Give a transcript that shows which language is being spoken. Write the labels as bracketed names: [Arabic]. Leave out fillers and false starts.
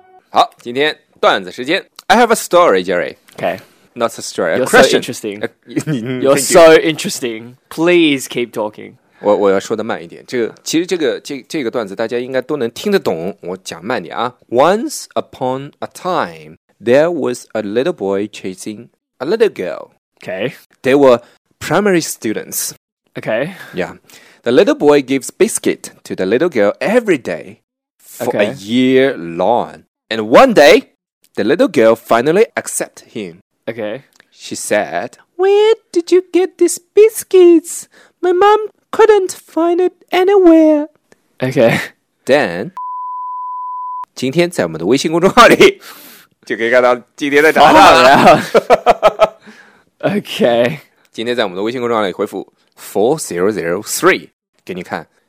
[Chinese] 好，今天段子时间。 [English] I have a story, Jerry. Okay. Not a story, You're a question. So interesting. You're so interesting. Please keep talking. [Chinese] 我要说的慢一点。其实这个段子大家应该都能听得懂。我讲慢点啊。 [English] Once upon a time, there was a little boy chasing a little girl. Okay. They were primary students. Okay. Yeah. The little boy gives biscuit to the little girl every day for a year long. And one day, the little girl finally accepted him. Okay. She said, Where did you get these biscuits? My mom couldn't find it anywhere. Okay. Then, [Chinese] 今天在我们的微信公众号里就可以看到今天在找他了。 [English] Okay. [Chinese] 今天在我们的微信公众号里回复4003给你看。